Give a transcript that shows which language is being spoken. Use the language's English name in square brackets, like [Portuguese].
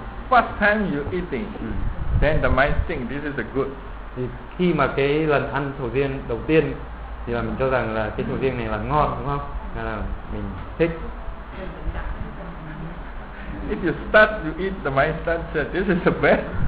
[English] First time you eating, then the mind think this is a good. [Vietnamese] Thì khi mà cái lần ăn sầu riêng đầu tiên thì là mình cho rằng là cái sầu riêng này là ngon, đúng không? Là mình thích. [English] If you start you eat, the mind starts say this is the best.